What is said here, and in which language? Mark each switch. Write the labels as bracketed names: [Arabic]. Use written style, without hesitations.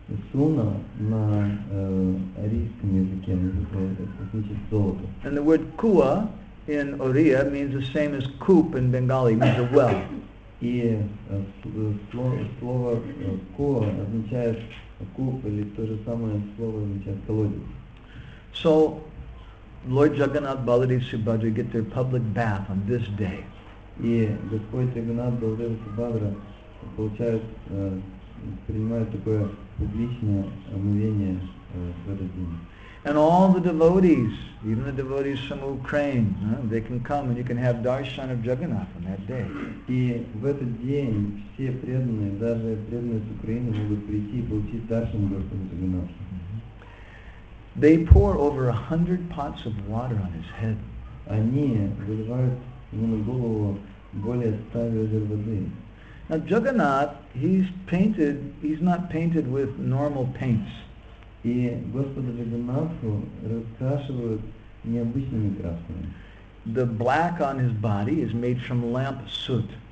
[Russian] Суна на арийском языке значит золото. [English] And the word kua in Oriya means the same as coop in Bengali, means a well. [Russian] И слово kua означает coop, или то же самое слово означает колодец. [English] So Lord Jagannath, Baladev, Subhadra get their public bath on this day. [Russian] И Господь Джагнанат, Баладев, Субхадра получают, принимают такое публичное омовение в этот день. [English] And all the devotees, even the devotees from Ukraine, they can come and you can have darshan of Jagannath on that day. [Russian] И в этот день все преданные, даже преданные с Украины, могут прийти и получить даршан Господа Джагнанатха. [English] They pour over 100 pots of water on his head. [Russian] Они выливают ему на голову более 100 ведер воды. [English] Now Jagannath, he's not painted with normal paints. [Russian] И Господа Джагнанатху раскрашивают необычными красками. [English] The black on his body is made from lamp soot.